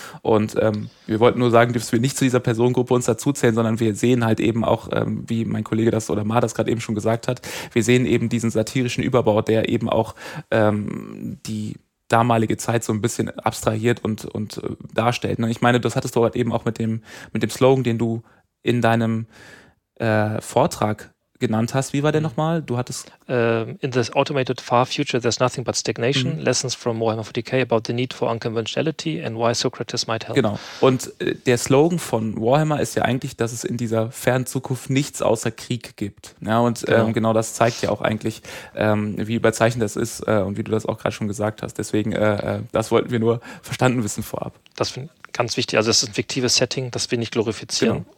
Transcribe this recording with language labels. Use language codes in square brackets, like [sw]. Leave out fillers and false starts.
[de] Und wir wollten nur sagen, dürfen wir nicht zu dieser Personengruppe uns dazuzählen, sondern wir sehen halt eben auch, wie mein Kollege das oder Mar das gerade eben schon gesagt hat, wir sehen eben diesen satirischen Überbau, der eben auch die damalige Zeit so ein bisschen abstrahiert und darstellt. Und ich meine, das hattest du halt eben auch mit dem Slogan, den du in deinem Vortrag genannt hast. Wie war der nochmal? Du hattest [en] In the automated far future, there's nothing but stagnation. Mhm. Lessons from Warhammer 40k about the need for unconventionality and why Socrates might help. [de] Genau. Und der Slogan von Warhammer ist ja eigentlich, dass es in dieser fernen Zukunft nichts außer Krieg gibt. Ja, und genau das zeigt ja auch eigentlich, wie überzeichend das ist und wie du das auch gerade schon gesagt hast. Deswegen, das wollten wir nur verstanden wissen vorab. Das finde ich ganz wichtig. Also das ist ein fiktives Setting, das wir nicht glorifizieren. Genau.